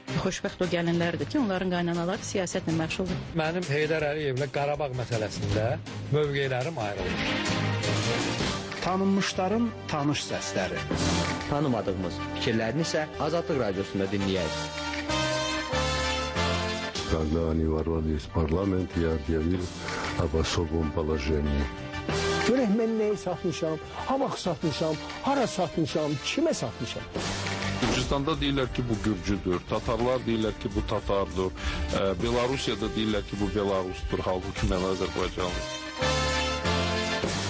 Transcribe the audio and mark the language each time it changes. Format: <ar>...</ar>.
<az>Xoşbəxt o gəlinlərdir ki, onların qaynanaları siyasətlə məşğuldur. Mənim Heydər Əliyevlə Qarabağ məsələsində mövqelərim ayrılır. Tanınmışların tanış səsləri. Tanımadığımız fikirlərini isə Azadlıq Radiosunda dinləyək.</az> <ru>Когда они ворвались в парламент, я объявил об особом положении.</ru> <az>Görək, mən nəyi satmışam, hamaq satmışam, hara satmışam, kimə satmışam? Gürcistanda deyirlər ki, bu Gürcüdür, Tatarlar deyirlər ki, bu Tatardır, Belarusiyada deyirlər ki, bu Belarusdur, halbuki mən Azərbaycanlı.</az>